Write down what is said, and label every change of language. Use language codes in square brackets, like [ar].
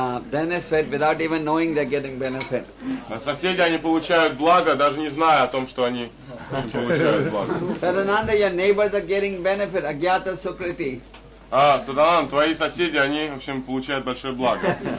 [en] benefit without even knowing they're getting benefit. [ru] А соседи они получают благо, даже не зная о том, что они получают благо. [en] Sadananda, your neighbors are getting benefit, agyata sukriti. [ru] А, Sadananda, твои соседи, они, в общем, получают большое благо.